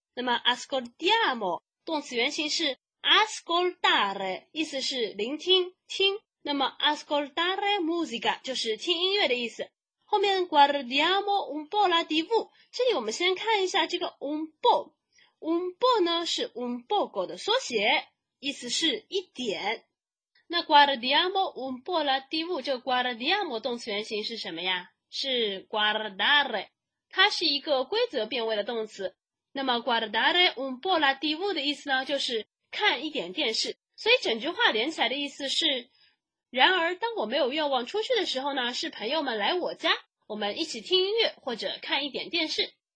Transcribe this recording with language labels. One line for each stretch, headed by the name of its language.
Chinese: 那么 ascoltiamo 动词原形是 ascoltare， 意思是聆听听，那么
Italian: ascoltare musica
Chinese: 就是听音乐的意思。后面
Italian: guardiamo un po' la TV，
Chinese: 这里我们先看一下这个 un po'， un po' 呢是
Italian: un poco
Chinese: 的缩写，意思是一点。那
Italian: guardiamo un po' la TV，
Chinese: 这个 guardiamo 动词原形是什么呀？是 guardare， 它是一个规则变位的动词。那么
Italian: guardare un po' la TV
Chinese: 的意思呢，就是看一点电视。所以整句话连起来的意思是，然而当我没有愿望出去的时候呢，是朋友们来我家，我们一起听音乐或者看一点电视。